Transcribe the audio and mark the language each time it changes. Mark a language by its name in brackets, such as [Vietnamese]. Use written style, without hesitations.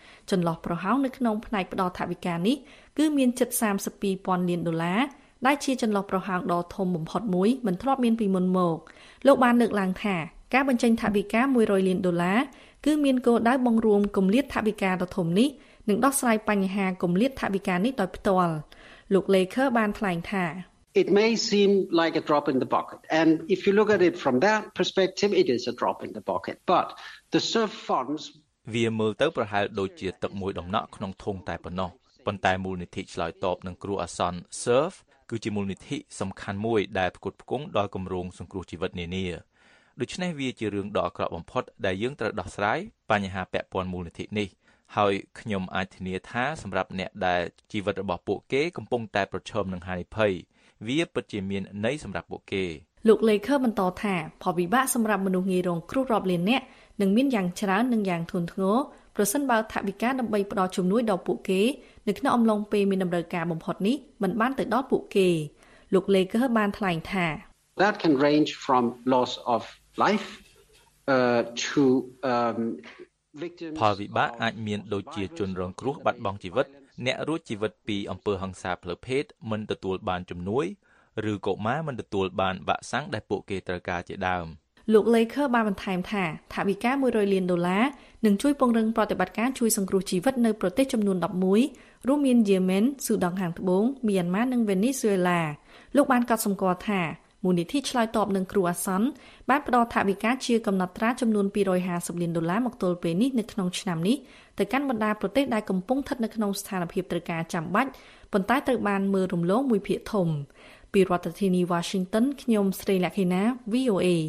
[Khmer] ចន្លោះប្រហោងនៅក្នុងផ្នែកផ្ដល់ថវិកានេះគឺមានចិត្ត32,000ដុល្លារដែលជាចន្លោះប្រហោងដ៏ធំបំផុតមួយមិនធ្លាប់មានពីមុនមកលោកបានលើកឡើងថាការបញ្ចេញថវិកា100លានដុល្លារគឺមានគោលដៅបង្រួមគម្លាតថវិកាដ៏ធំនេះនិងដោះស្រាយបញ្ហាគម្លាតថវិកានេះដោយផ្ទាល់លោក Laker បានថ្លែងថា [English] It may seem like a drop in the bucket and if you look at it from that perspective it is a drop in the bucket but the surf funds [Khmer] វាមើលទៅប្រហែលដូចជាទឹកមួយដំណក់ក្នុងធុងតែប៉ុណ្ណោះប៉ុន្តែមូលនិធិឆ្លើយតបនឹងគ្រោះអាសន្ន surfគឺជាមូលនិធិសំខាន់មួយដែលផ្គត់ផ្គង់ដល់គម្រោងសង្គ្រោះជីវិតនានាដូច្នេះវាជារឿងដ៏អាក្រក់បំផុតដែលយើងត្រូវដោះស្រាយបញ្ហាពាក់ព័ន្ធមូលនិធិនេះហើយខ្ញុំអាចធានាថាសម្រាប់អ្នកដែលជីវិតរបស់ពួកគេកំពុងតែប្រឈមនឹងហានិភ័យវាពិតជាមានន័យសម្រាប់ពួកគេ លោក Laker បន្តថាផលវិបាកសម្រាប់មនុស្សងាយរងគ្រោះរាប់លានអ្នកនឹងមានយ៉ាងច្រើននិងយ៉ាងធ្ងន់ធ្ងរប្រសិនបើថវិកាដើម្បីផ្តល់ជំនួយដល់ពួកគេនៅក្នុងអំឡុងពេលមានតម្រូវការបំផុតនេះมันបានទៅដល់ពួកគេលោក Laker បានថ្លែងថា [English] That can range from loss of life to victims [Khmer] ផលវិបាកអាចមានដូចជាជនរងគ្រោះបាត់បង់ជីវិតអ្នករួចជីវិតពីអំពើហិង្សាផ្លូវភេទមិនទទួលបានជំនួយឬកុមារមិនទទួលបានវ៉ាក់សាំងដែលពួកគេត្រូវការជាដើម លោក Laker បានបន្ថែមថាថវិកា100លានដុល្លារនឹងជួយពង្រឹងប្រតិបត្តិការជួយសង្គ្រោះជីវិតនៅប្រទេសចំនួន11រួមមានយេម៉ែនស៊ូដង់ខាងត្បូងមីយ៉ាន់ម៉ានិងវេនេស៊ុយអេឡាលោកបានកត់សម្គាល់ថាមូលនិធិឆ្លើយតបនឹងគ្រោះអាសន្នបានផ្តល់ថវិកាជាកំណត់ត្រាចំនួន250លានដុល្លារមកទល់ពេលនេះនៅក្នុងឆ្នាំនេះទៅកាន់បណ្ដាប្រទេសដែលកំពុងស្ថិតនៅក្នុងស្ថានភាពត្រូវការចាំបាច់ប៉ុន្តែត្រូវបានមើលរំលងមួយភាគធំពីរដ្ឋធានី Washington ខ្ញុំស្រីលក្ខិណា VOA